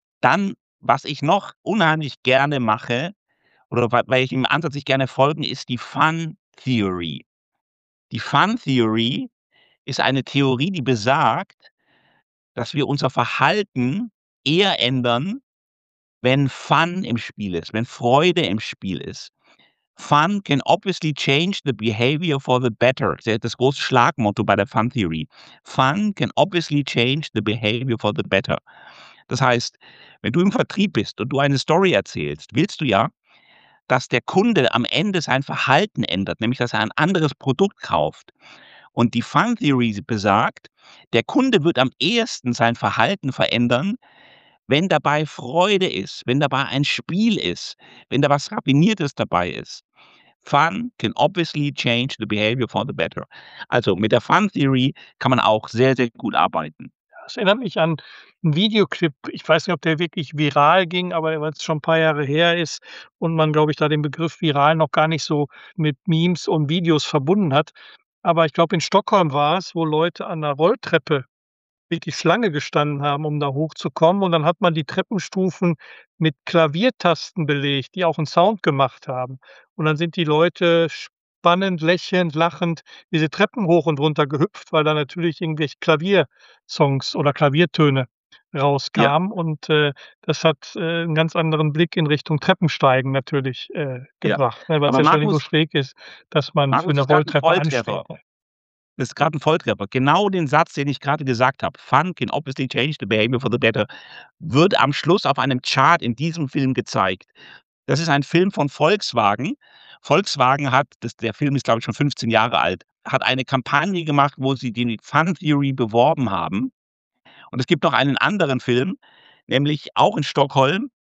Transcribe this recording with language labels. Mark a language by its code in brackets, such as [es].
[de] Dann, was ich noch unheimlich gerne mache oder welchem Ansatz ich gerne folge, ist die Fun Theory. Die Fun Theory ist eine Theorie, die besagt, dass wir unser Verhalten eher ändern, wenn Fun im Spiel ist, wenn Freude im Spiel ist. [en] Fun can obviously change the behavior for the better. [de] Das große Schlagmotto bei der Fun Theory. [en] Fun can obviously change the behavior for the better. [de] Das heißt, wenn du im Vertrieb bist und du eine Story erzählst, willst du ja, dass der Kunde am Ende sein Verhalten ändert, nämlich dass er ein anderes Produkt kauft. Und die Fun Theory besagt, der Kunde wird am ehesten sein Verhalten verändern, wenn dabei Freude ist, wenn dabei ein Spiel ist, wenn da was Raffiniertes dabei ist. [en] Fun can obviously change the behavior for the better. [de] Also mit der Fun Theory kann man auch sehr, sehr gut arbeiten. Das erinnert mich an einen Videoclip. Ich weiß nicht, ob der wirklich viral ging, aber weil es schon ein paar Jahre her ist und man, glaube ich, da den Begriff viral noch gar nicht so mit Memes und Videos verbunden hat. Aber ich glaube, in Stockholm war es, wo Leute an der Rolltreppe wirklich Schlange gestanden haben, um da hochzukommen. Und dann hat man die Treppenstufen mit Klaviertasten belegt, die auch einen Sound gemacht haben. Und dann sind die Leute spannend, lächelnd, lachend diese Treppen hoch und runter gehüpft, weil da natürlich irgendwelche Klaviersongs oder Klaviertöne rauskamen. Ja. Und das hat einen ganz anderen Blick in Richtung Treppensteigen natürlich gebracht. Ja. Ne, weil es ja nicht so schräg ist, dass man Markus für eine Rolltreppe ansteigt. Das ist gerade ein Volltreffer. Genau den Satz, den ich gerade gesagt habe. [en] Fun can obviously change the behavior for the better. [de] Wird am Schluss auf einem Chart in diesem Film gezeigt. Das ist ein Film von Volkswagen. Volkswagen hat, der Film ist glaube ich schon 15 Jahre alt, hat eine Kampagne gemacht, wo sie die Fun Theory beworben haben. Und es gibt noch einen anderen Film, nämlich auch in Stockholm.